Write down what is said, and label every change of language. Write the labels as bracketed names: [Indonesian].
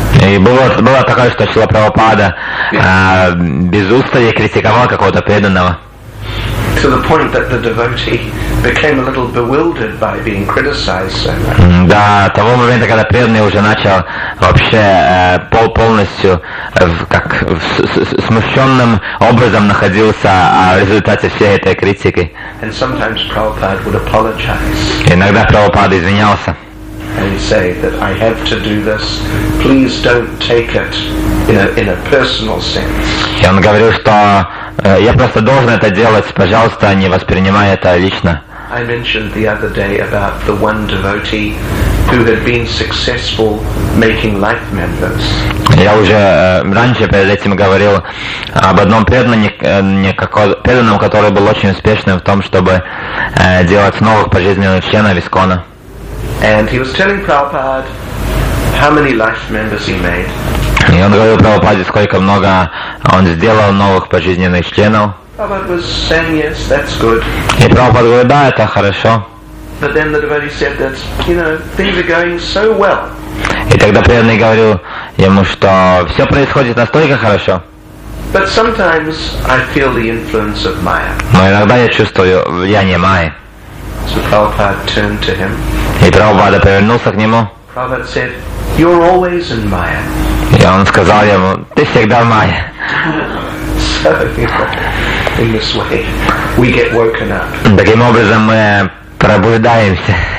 [Russian] И было такое, что Шрила Прабхупада без устали критиковал какого-то преданного. [English] To the point that the devotee became a little bewildered by being criticized so much. [Russian] До того момента, когда преданный уже начал вообще полностью как в смущенным образом находился в результате всей этой критики. [English] And sometimes Prabhupada would apologize. [Russian] Иногда Прабхупада извинялся. [English] And say that I have to do this. Please don't take it in a personal sense. [Russian] И он говорил, что я просто должен это делать, пожалуйста, не воспринимай это лично. [English] I mentioned the other day about the one devotee who had been successful making life members. [Russian] Я уже раньше перед этим говорил об одном преданном, который был очень успешным в том, чтобы делать новых пожизненных членов ИСКОНа. [English] And he was telling Prabhupada how many life members he made. [Russian] И он говорил Прабхупаде, сколько много он сделал новых пожизненных членов. [English] Prabhupada was saying, yes, that's good. [Russian] И Прабхупада говорит, да, это хорошо. [English] But then the devotee said that, you know, things are going so well. [Russian] И тогда преданный говорил ему, что все происходит настолько хорошо. [English] But sometimes I feel the influence of Maya. [Russian] Но иногда я чувствую влияние Майи. [English] So Prabhupada turned to him. [Russian] И Прабхупада повернулся к нему. [English] Prabhupada said, you're always in Maya. [Russian] И он сказал ему, ты всегда в Майе. [English] So, in this way, we get woken up. [Russian] Таким образом мы пробуждаемся.